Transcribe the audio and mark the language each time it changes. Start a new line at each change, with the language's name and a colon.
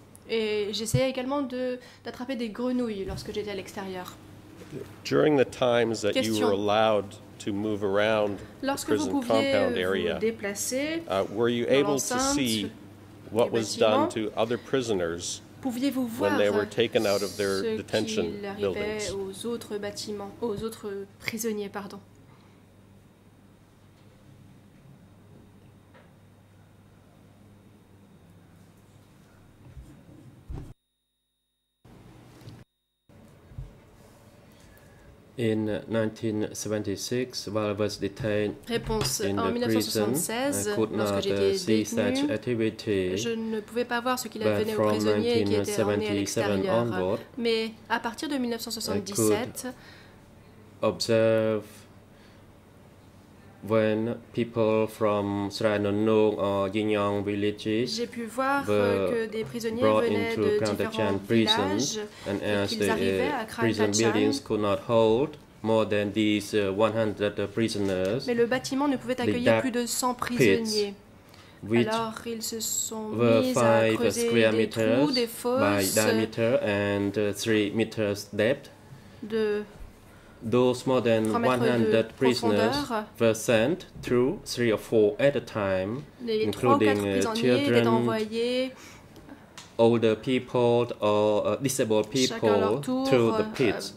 French: Et j'essayais également d'attraper des grenouilles lorsque j'étais à l'extérieur.
English: During the times that you were allowed to move around the prison compound area, were you able to see what was done to other prisoners when they were taken out of their detention buildings?
French: Aux autres bâtiments, aux autres prisonniers, pardon.
English: In 1976, while I was detained in the prison, I could not see such activity.
French: Je ne pouvais pas voir ce qu'il advenait aux prisonniers qui étaient emmenés à l'extérieur. Mais à partir de 1977,
English: observe when people from Sihanoukville or Yingyang villages
French: j'ai pu voir que des prisonniers
English: brought into Kandachan prison, and as the prison buildings could not hold more than these 100 prisoners,
French: mais le bâtiment ne pouvait accueillir plus de 100 prisonniers. Alors ils se sont mis à creuser des trous, des fosses,
English: and 3 meters depth.
French: De
English: those more than 100 prisoners were sent through 3 or 4 at a time, including children, older people, or disabled people through the pits.